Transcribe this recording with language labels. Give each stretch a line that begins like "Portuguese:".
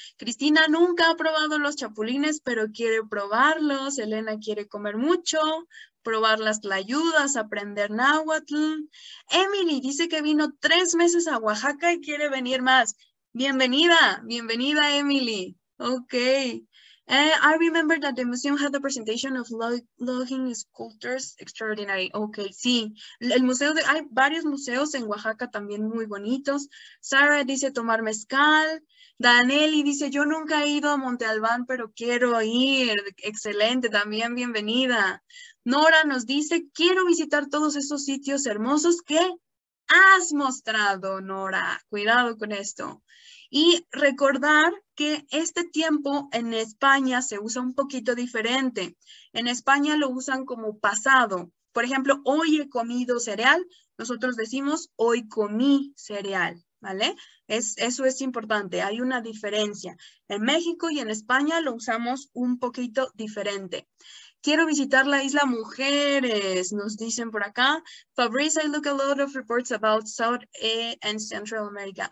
Spanish: Cristina nunca ha probado los chapulines, pero quiere probarlos. Elena quiere comer mucho, probar las tlayudas, aprender náhuatl. Emily dice que vino 3 meses a Oaxaca y quiere venir más. Bienvenida, bienvenida Emily. Ok.
English: I remember that the museum had the presentation of logging sculptures extraordinary.
Spanish: Ok, sí. Hay varios museos en Oaxaca también muy bonitos. Sara dice tomar mezcal. Daneli dice, yo nunca he ido a Monte Albán, pero quiero ir. Excelente, también bienvenida. Nora nos dice, quiero visitar todos esos sitios hermosos que has mostrado, Nora. Cuidado con esto. Y recordar que este tiempo en España se usa un poquito diferente. En España lo usan como pasado. Por ejemplo, hoy he comido cereal. Nosotros decimos hoy comí cereal, ¿vale? Eso es importante. Hay una diferencia. En México y en España lo usamos un poquito diferente. Quiero visitar la isla Mujeres, nos dicen por acá.
English: Fabrice, I look a lot of reports about South and Central America.